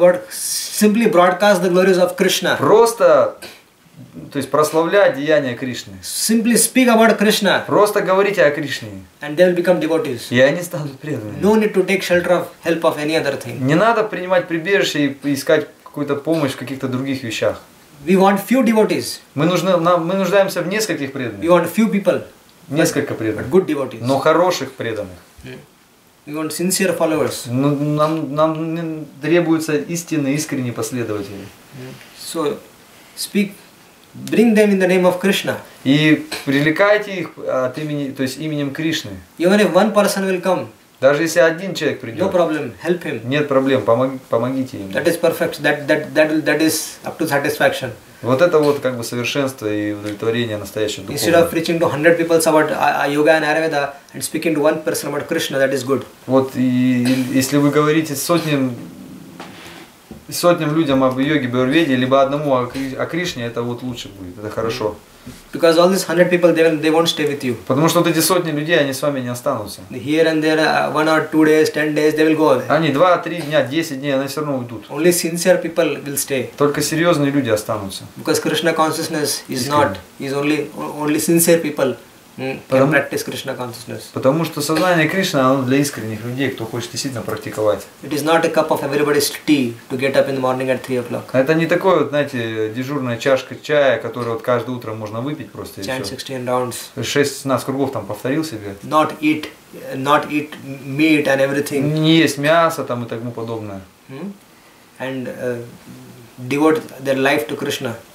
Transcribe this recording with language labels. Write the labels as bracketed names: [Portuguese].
[English] Simply broadcast the glories of Krishna. [Russian] Просто, то есть прославлять деяния Кришны. [English] Simply speak about Krishna. [Russian] Просто говорите о Кришне. [English] And they will become devotees. [Russian] И они станут преданными. [English] No need to take shelter of help of any other thing. [Russian] Не надо принимать прибежище и искать какую-то помощь в каких-то других вещах. [English] We want few devotees. [Russian] Мы нуждаемся в нескольких преданных. [English] We want few people. [Russian] Несколько преданных. [English] Good devotees. [Russian] Но хороших преданных. [English] We want sincere followers. [Russian] Нам требуются истинные, искренние последователи. [English] So, speak, bring them in the name of Krishna. [Russian] И привлекайте их от имени, то есть именем Кришны. [English] Even if one person will come. [Russian] Даже если один человек придет, [English] no problem, help him. [Russian] Нет проблем, помогите им. [English] That is perfect. That is up to satisfaction. [Russian] Вот это вот как бы совершенство и удовлетворение настоящего духовного. [English] Instead of preaching to 100 people about yoga and Ayurveda and speaking to one person about Krishna, that is good. [Russian] Вот и если вы говорите сотням людям об йоге, Аюрведе, либо одному о Кришне, это вот лучше будет, это хорошо. [English] Because all these 100 people, they won't stay with you. [Russian] Потому что вот эти сотни людей, они с вами не останутся. [English] Here and there, 1 or 2 days, 10 days, they will go. [Russian] Они 2-3 дня, 10 дней, они все равно уйдут. [English] Only sincere people will stay. [Russian] Только серьезные люди останутся. [English] Because Krishna consciousness is not, is only sincere people can practice Krishna consciousness. [Russian] Потому что сознание Кришны, оно для искренних людей, кто хочет действительно практиковать. [English] It is not a cup of everybody's tea to get up in the morning at 3 o'clock. [Russian] Это не такое, вот, знаете, дежурная чашка чая, которую вот каждое утро можно выпить просто. [English] 16 rounds. [Russian] 16 кругов там повторил себе. [English] Not eat meat and everything. [Russian] Не есть мясо там и тому подобное. [English] And devote their life to Krishna.